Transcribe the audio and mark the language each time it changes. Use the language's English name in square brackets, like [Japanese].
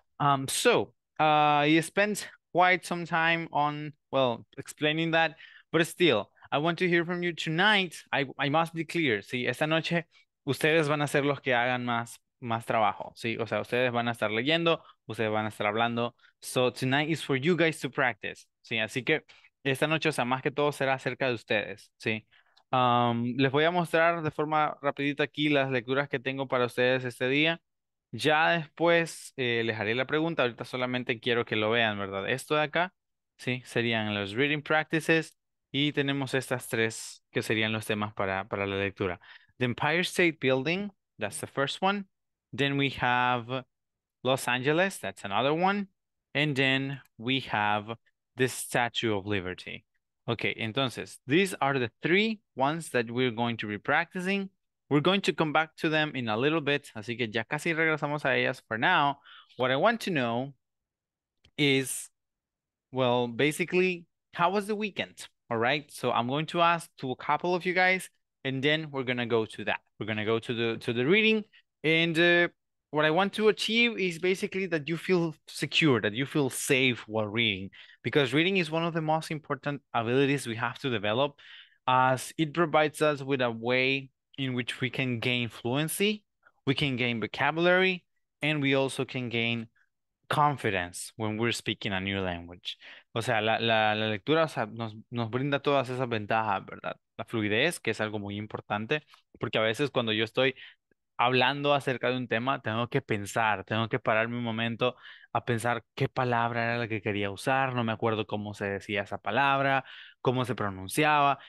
[English] You spent quite some time on, well, explaining that, but still, I want to hear from you tonight. I must be clear. [Spanish] Sí, esta noche ustedes van a ser los que hagan más trabajo, ¿sí? O sea, ustedes van a estar leyendo, ustedes van a estar hablando. [English] So, tonight is for you guys to practice, [Spanish] ¿sí? Así que esta noche, o sea, más que todo será acerca de ustedes, ¿sí? Les voy a mostrar de forma rapidita aquí las lecturas que tengo para ustedes este día. Ya después les haré la pregunta. Ahorita solamente quiero que lo vean, ¿verdad? Esto de acá, ¿sí? Serían los reading practices y tenemos estas tres que serían los temas para la lectura. [English] The Empire State Building, that's the first one. Then we have Los Angeles, that's another one. And then we have the Statue of Liberty. Okay, entonces, these are the three ones that we're going to be practicing. We're going to come back to them in a little bit. [Spanish] Así que ya casi regresamos a ellas [English] for now. What I want to know is, well, basically, how was the weekend? All right, so I'm going to ask to a couple of you guys, and then we're going to go to that. We're going to go to the reading. And what I want to achieve is basically that you feel secure, that you feel safe while reading, because reading is one of the most important abilities we have to develop, as it provides us with a way in which we can gain fluency, we can gain vocabulary, and we also can gain confidence when we're speaking a new language. [Spanish] O sea, la lectura, o sea, nos brinda todas esas ventajas, ¿verdad? La fluidez, que es algo muy importante, porque a veces cuando yo estoy hablando acerca de un tema, tengo que pensar, tengo que pararme un momento a pensar qué palabra era la que quería usar, no me acuerdo cómo se decía esa palabra, cómo se pronunciaba.